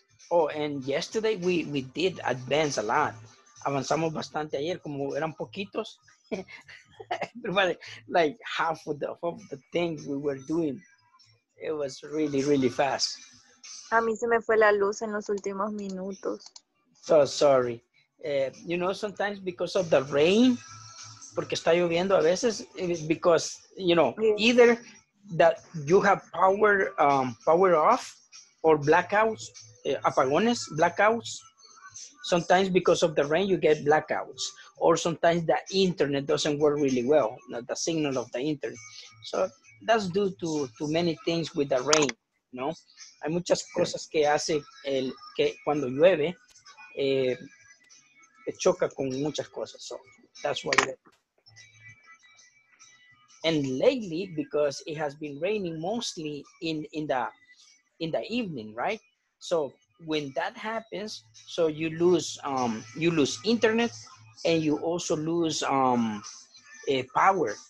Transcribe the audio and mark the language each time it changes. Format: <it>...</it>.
<en>Oh, and yesterday we did advance a lot.</en> <es>Avanzamos bastante ayer, como eran poquitos.</es> <en>Everybody, like half of the things we were doing. It was really, really fast.</en> <es>A mí se me fue la luz en los últimos minutos.</es> <en>So sorry. You know, sometimes because of the rain,</en> <es>porque está lloviendo a veces,</es> <en>because, you know, either that you have power, power off or blackouts, apagones, blackouts. Sometimes because of the rain, you get blackouts. Or sometimes the internet doesn't work really well, not the signal of the internet. So that's due to many things with the rain, ¿no?</en> <es>Hay muchas cosas que hace el que cuando llueve, choca con muchas cosas.</es> <en>So that's why. And lately, because it has been raining mostly in the evening, right? So when that happens, so you lose internet, and you also lose power.</en>